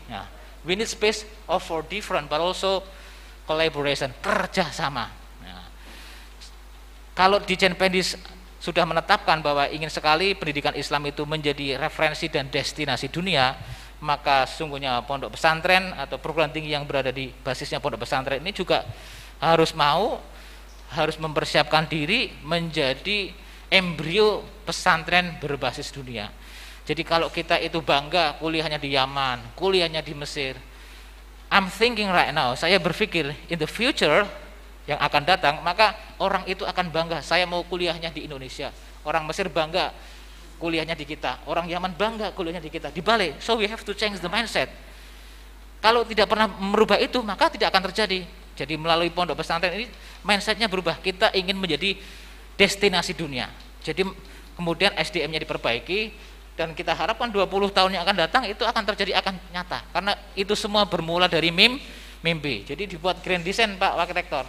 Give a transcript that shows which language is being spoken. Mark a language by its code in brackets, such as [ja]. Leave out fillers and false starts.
[en] Nah, we need space for different but also collaboration, kerjasama. [id] Kalau di Jenpendis sudah menetapkan bahwa ingin sekali pendidikan Islam itu menjadi referensi dan destinasi dunia, maka sungguhnya pondok pesantren atau perguruan tinggi yang berada di basisnya pondok pesantren ini juga harus mau, harus mempersiapkan diri menjadi embrio pesantren berbasis dunia. Jadi kalau kita itu bangga kuliahnya di Yaman, kuliahnya di Mesir, [en] I'm thinking right now, [id] saya berpikir [en] in the future [id] yang akan datang, maka orang itu akan bangga, saya mau kuliahnya di Indonesia. Orang Mesir bangga kuliahnya di kita, orang Yaman bangga kuliahnya di kita. Di balik, [en] so we have to change the mindset. [id] Kalau tidak pernah merubah itu, maka tidak akan terjadi. Jadi melalui pondok pesantren ini, mindsetnya berubah, kita ingin menjadi destinasi dunia. Jadi kemudian SDM-nya diperbaiki, dan kita harapkan 20 tahun yang akan datang, itu akan terjadi, akan nyata. Karena itu semua bermula dari mimpi. Jadi dibuat grand design, Pak Wakil Rektor.